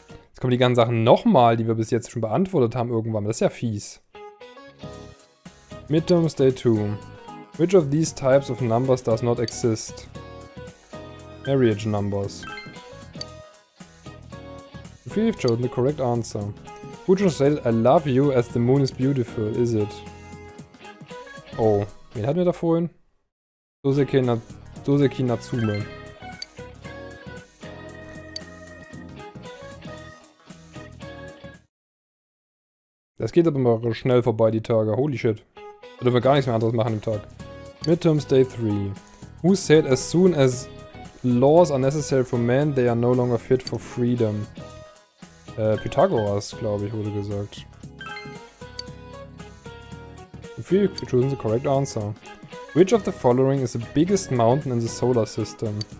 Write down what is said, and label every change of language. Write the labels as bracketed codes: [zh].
[de] Jetzt kommen die ganzen Sachen nochmal, die wir bis jetzt schon beantwortet haben, irgendwann. Das ist ja fies. Midterms Day 2. [en] Which of these types of numbers does not exist? Marriage numbers. You feel you've chosen the correct answer. Who translated I love you as the moon is beautiful, is it? [de] Oh, wen hatten wir da vorhin? Soseki Natsume. Das geht aber mal schnell vorbei, die Tage. Holy shit. Da dürfen wir gar nichts mehr anderes machen im Tag. [en] Midterms Day 3. Who said as soon as laws are necessary for men, they are no longer fit for freedom? [de] Pythagoras, glaube ich, wurde gesagt. [en] feel you've chosen the correct answer. Which of the following is the biggest mountain in the solar system?